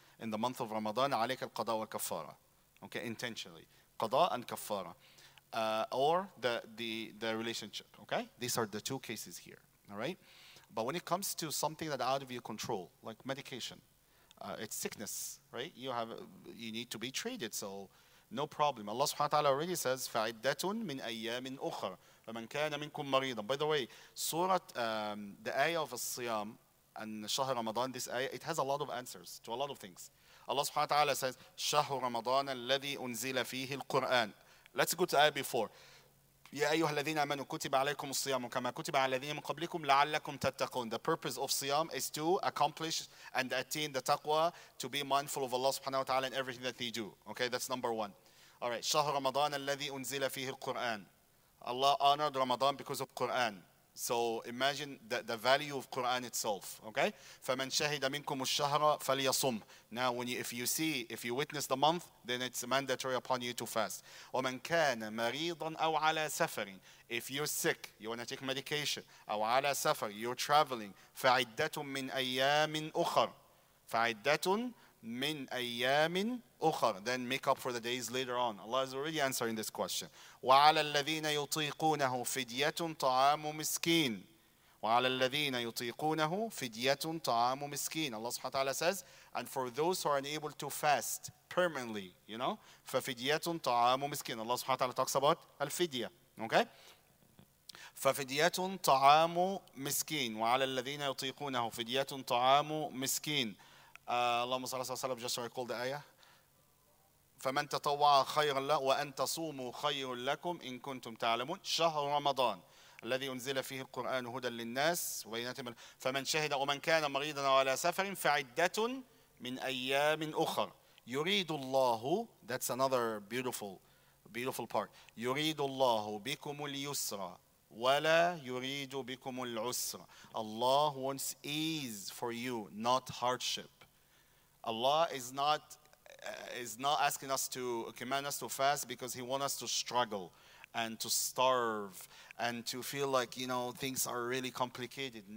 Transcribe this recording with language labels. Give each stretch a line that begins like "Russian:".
English: In the month of Ramadan,
Arabic: alayk al-qada wa kafara.
English: Okay, intentionally. Qada and kafara. Or the relationship, okay? These are the two cases here, all right? But when it comes to something that out of your control, like medication, it's sickness, right? You need to be treated, so no problem. Allah subhanahu wa ta'ala already says,
Arabic: فَعِدَّةٌ مِنْ أَيَّامٍ أُخَرٍ فَمَنْ كَانَ مِنْكُمْ مَرِيضًا.
English: By the way, surah, the ayah of As-Siyam and Shahr Ramadan, this ayah, it has a lot of answers to a lot of things. Allah subhanahu wa ta'ala says,
Arabic: شَهُ رَمَضَانَ الَّذِي أُنزِلَ فِيهِ الْقُرْآنِ.
English: Let's go to ayah before.
Arabic: يَا أَيُّهَا الَّذِينَ آمَنُوا كُتِبَ عَلَيْكُمُ الصِّيَامُ كَمَا كُتِبَ عَلَى الَّذِينَ مِنْ قَبْلِكُمْ لَعَلَّكُمْ تَتَّقُونَ.
English: The purpose of Siyam is to accomplish and attain the taqwa, to be mindful of Allah subhanahu wa ta'ala in everything that they do. Okay, that's number one. All right,
Arabic: شهر رمضان الذي أنزل فيه القرآن.
English: Allah honored Ramadan because of Quran. So imagine the value of Quran itself, okay?
Arabic: فَمَنْ شَهِدَ مِنْكُمُ الشَّهْرَ فَلْيَصُمْ.
English: Now, if you witness the month, then it's mandatory upon you to fast.
Arabic: وَمَنْ كَانَ مَرِيضًا أَوْ عَلَى سَفَرٍ.
English: If you're sick, you want to take medication,
Arabic: أَوْ عَلَى سَفَرٍ,
English: you're traveling,
Arabic: فَعِدَّةٌ مِنْ أَيَّامٍ أُخَرٍ. فَعِدَّةٌ مِنْ أَيَّامٍ أُخَرٍ.
English: Then make up for the days later on. Allah is already answering this question.
Arabic: وعلى الذين يطيقونه فدية طعام مسكين. وعلى الذين يطيقونه فدية طعام مسكين.
English: Allah subhanahu wa ta'ala says, and for those who are unable to fast permanently, you know,
Arabic: ففدية طعام مسكين.
English: Allah subhanahu wa ta'ala talks about الفدية.
Arabic: Okay? ففدية طعام مسكين. وعلى الذين يطيقونه فدية طعام مسكين. اللهم صل على سيدنا.
English: Just recall the ayah.
Arabic: فمن تطوع خيرا له وان تصوموا خير لكم ان كنتم تعلمون. شهر رمضان الذي انزل فيه القران هدى للناس وبينات من فمن شهد ومن كان مريضا ولا سفر فعده من ايام اخر. يريد الله,
English: that's another beautiful part,
Arabic: يريد الله بكم اليسر ولا يريد بكم العسر.
English: Allah wants ease for you, not hardship. Allah is not asking us to command us to fast because he wants us to struggle and to starve and to feel like, you know, things are really complicated.